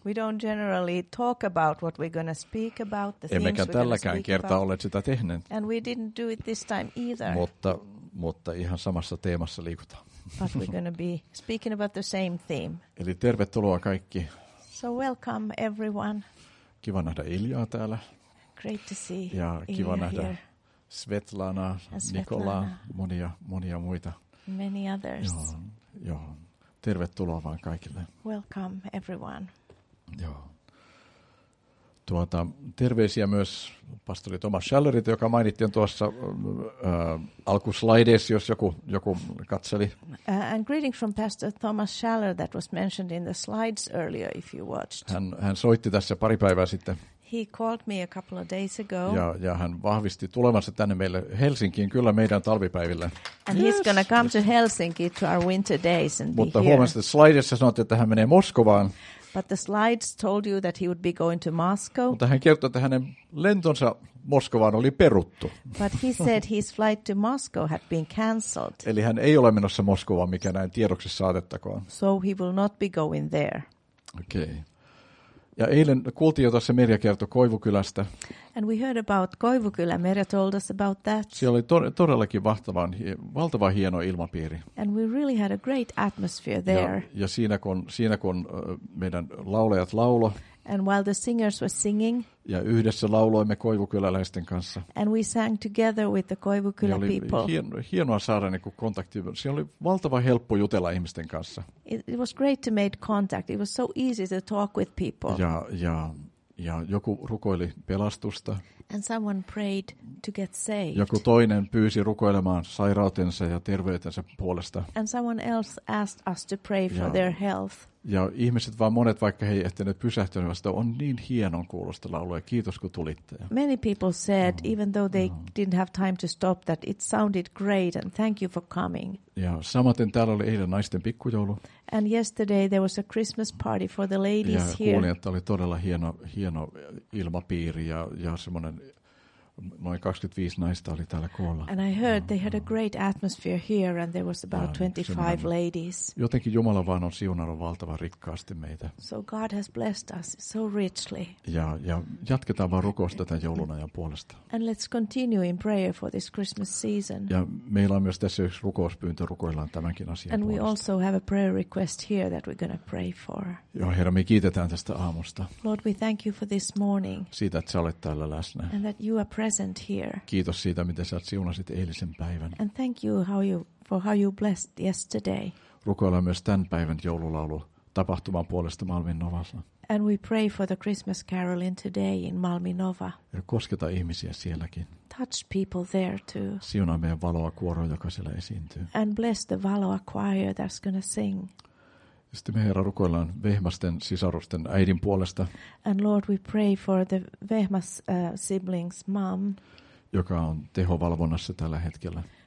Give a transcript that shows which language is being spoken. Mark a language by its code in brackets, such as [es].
[en] We don't generally talk about what we're going to speak about, the themes. [fi] Emmekä tälläkään kertaa olleet sitä tehneet. [en] And we didn't do it this time either. [fi] Mutta ihan samassa teemassa liikutaan. [en] But we're going to be speaking about the same theme. [fi] Eli tervetuloa kaikki. [en] So welcome everyone. [fi] Kiva nähdä Iljaa täällä. [en] Great to see. [fi] Ja kiva Ilja nähdä [en] here. [fi] Svetlana, Nikolaa, monia muita. [en] Many others. [fi] Joo. Tervetuloa vaan kaikille. [en] Welcome everyone. [fi] Joo. Terveisiä myös pastori Thomas Schallerit, joka mainittiin tuossa alkuslaideissa, jos joku katseli. [en] And greeting from Pastor Thomas Schaller that was mentioned in the slides earlier if you watched. [fi] Hän soitti tässä pari päivää sitten. [en] He called me a couple of days ago. [fi] Ja hän vahvisti tulevansa tänne meille Helsinkiin kyllä meidän talvipäiville. [en] And yes, he's going to come to Helsinki to our winter days and [fi] mutta huomasin, että slaideissa sanottiin, että hän menee Moskovaan. [en] But the slides told you that he would be going to Moscow. [fi] Mutta hän kertoi, että hänen lentonsa Moskovaan oli peruttu. [en] But he said his flight to Moscow had been cancelled. [fi] Eli hän ei ole menossa Moskovaan, mikä näin tiedoksi saatettakoon. [en] So he will not be going there. [fi] Okei. Ja eilen kuultiin jo tässä Merja kertoi Koivukylästä. [en] And we heard about Koivukylä. Merja told us about that. [fi] Siellä oli todellakin valtava hieno ilmapiiri. [en] And we really had a great atmosphere there. [fi] Ja siinä kun meidän laulajat lauloi. [en] And while the singers were singing. [fi] Ja yhdessä lauloimme koivukyläläisten kanssa. [en] And we sang together with the Koivukylä people. [fi] Niin oli hienoa saada niinku kontakti. Siinä oli valtava helppo jutella ihmisten kanssa. [en] It was great to make contact. It was so easy to talk with people. [fi] Ja joku rukoili pelastusta. [en] And someone prayed to get saved. [fi] Joku toinen pyysi rukoilemaan sairautensa ja terveytensä puolesta. [en] And someone else asked us to pray for their health. [fi] Ja ihmiset vaan monet, vaikka he eivät ehtineet pysähtyä, niin vasta, on niin hienon kuulosta laulua. Kiitos, kun tulitte. [en] Many people said, even though they didn't have time to stop, that it sounded great and thank you for coming. [fi] Ja samaten täällä oli eilen naisten pikkujoulu. [en] And yesterday there was a Christmas party for the ladies here. [fi] Ja kuulin, [en] here. [fi] Että oli todella hieno ilmapiiri ja semmoinen noin 25 naista oli täällä koolla. [en] And I heard they had a great atmosphere here and there was about 25 ladies. [fi] Jotenkin Jumala vaan on siunannut valtavan rikkaasti meitä. [en] So God has blessed us so richly. [fi] Ja jatketaan vaan rukousta tämän joulunajan puolesta. [en] And let's continue in prayer for this Christmas season. [fi] Ja meillä on myös tässä yksi rukouspyyntö, rukoillaan tämänkin asian [en] and [fi] puolesta. [en] And we also have a prayer request here that we're going to pray for. [fi] Joo, Herra, me kiitetään tästä aamusta. [en] Lord, we thank you for this morning. [fi] Siitä, että sä olet täällä läsnä. [en] And that you are present here. [fi] Kiitos siitä, miten sä siunasit eilisen päivän. [en] And thank you how you blessed yesterday. [fi] Rukoillaan myös tämän päivän joululaulu tapahtuman puolesta Malmin Novassa. [en] And we pray for the Christmas carol in today in Malmi Nova. [fi] Ja kosketa ihmisiä sielläkin. [en] Touch people there too. [fi] Siunaa meidän valoa kuoro, joka siellä esiintyy. [en] And bless the valoa choir that's going to sing. [fi] Sitten me, Herra, rukoillaan Vehmasten sisarusten äidin puolesta. [en] And Lord, we pray for the Vehmas siblings mom, [fi] joka on tehovalvonnassa tällä hetkellä.